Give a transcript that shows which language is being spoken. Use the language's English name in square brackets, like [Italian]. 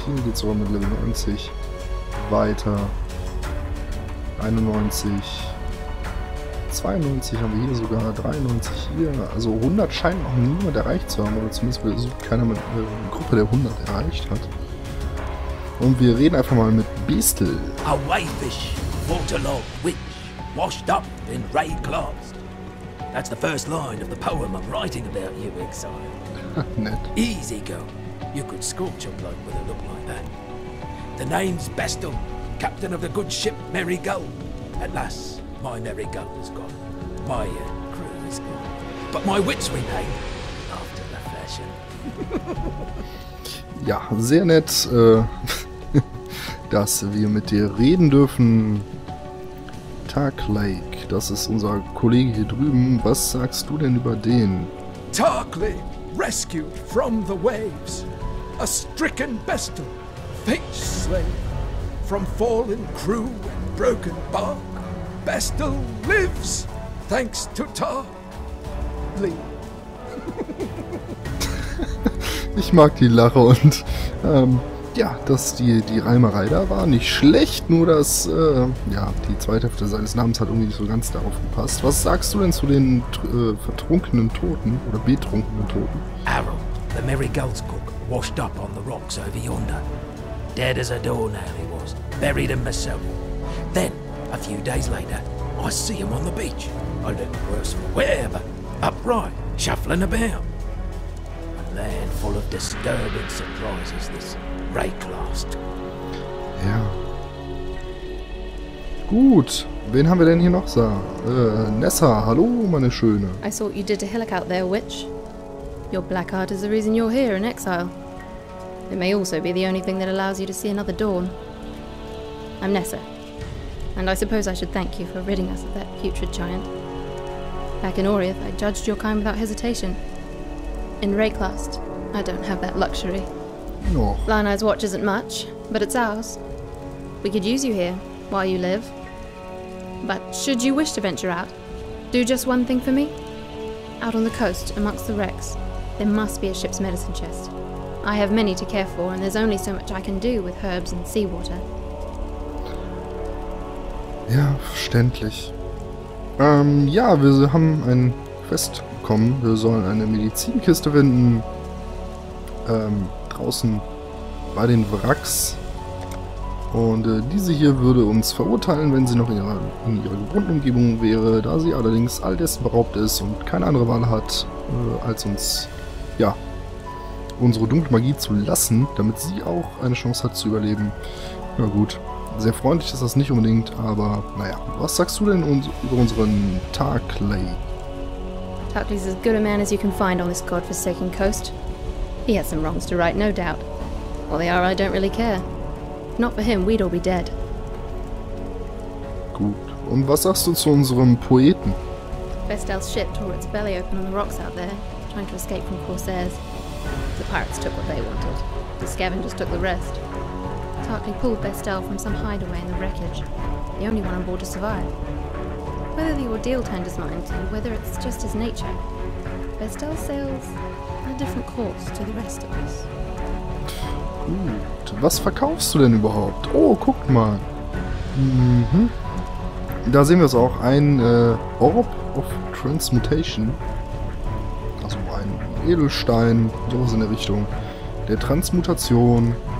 [German] Hier geht es aber mit Level 90 weiter. 91, 92 haben wir hier sogar, 93 hier. Also 100 scheint auch niemand erreicht zu haben, oder zumindest keiner mit einer Gruppe der 100 erreicht hat. Und wir reden einfach mal mit Beastel. [English] A whitefish, waterlogged witch, washed up in ray glass. That's the first line of the poem I'm writing about you, exile. [German] Nett. [English] Easy go. You could scorch a bloke with a look like that. The name's Bestel, captain of the good ship Merry Gull. At last, my Merry Gull is gone. My crew is gone. But my wits remain after the fashion. [German] Ja, sehr nett, dass wir mit dir reden dürfen. Tarklake, das ist unser Kollege hier drüben. Was sagst du denn über den? [English] Tarklake, rescued from the waves. A stricken bestel, fate slave. From fallen crew and broken bark, bestel lives, thanks to Tarklake. [German] Ich mag die Lache und Ja, dass die Reimerei da war, nicht schlecht, nur dass die zweite Hälfte seines Namens hat irgendwie nicht so ganz darauf gepasst. Was sagst du denn zu den vertrunkenen Toten oder betrunkenen Toten? [English] Arrow, the Merry Gulls cook, washed up on the rocks over yonder. Dead as a doornail he was, buried in my soul. Then, a few days later, I see him on the beach. A little worse for wear, but upright, shuffling about. A land full of disturbing surprises, this Rayclast. [German] Ja. Gut, wen haben wir denn hier noch, Sir? Nessa, hallo, meine Schöne. [English] I saw you did a hillock out there, witch. Your black heart is the reason you're here in exile. It may also be the only thing that allows you to see another dawn. I'm Nessa. And I suppose I should thank you for ridding us of that putrid giant. Back in Aurith, I judged your kind without hesitation. In Rayclast, I don't have that luxury. No. Lanai's watch isn't much, but it's ours. We could use you here, while you live. But should you wish to venture out, do just one thing for me. Out on the coast, amongst the wrecks, there must be a ship's medicine chest. I have many to care for, and there's only so much I can do with herbs and seawater. [German] Ja, verständlich. Ja, wir haben ein Quest bekommen. Wir sollen eine Medizinkiste finden. Draußen bei den Wracks. Und diese hier würde uns verurteilen, wenn sie noch in ihrer gewohnten Umgebung wäre, da sie allerdings all dessen beraubt ist und keine andere Wahl hat, als uns, ja, unsere dunkle Magie zu lassen, damit sie auch eine Chance hat zu überleben. Na gut. Sehr freundlich ist das nicht unbedingt, aber naja. Was sagst du denn über unseren Tarkley? [English] Tarkley's as good a man as you can find on this godforsaken coast. He has some wrongs to right, no doubt. All they are, I don't really care. If not for him, we'd all be dead. [German] Gut. Und was sagst du zu unserem Poeten? [English] Vestel's ship tore its belly open on the rocks out there, trying to escape from Corsairs. The pirates took what they wanted. The scavengers took the rest. Tarkley pulled Vestel from some hideaway in the wreckage. The only one on board to survive. Whether the ordeal turned his mind, or whether it's just his nature, Vestel sails a different course to the rest of us. [German] Gut. Was verkaufst du denn überhaupt? Oh, guck mal. Mhm. Da sehen wir es auch. Ein Orb of Transmutation. Also ein Edelstein, sowas in der Richtung. Der Transmutation.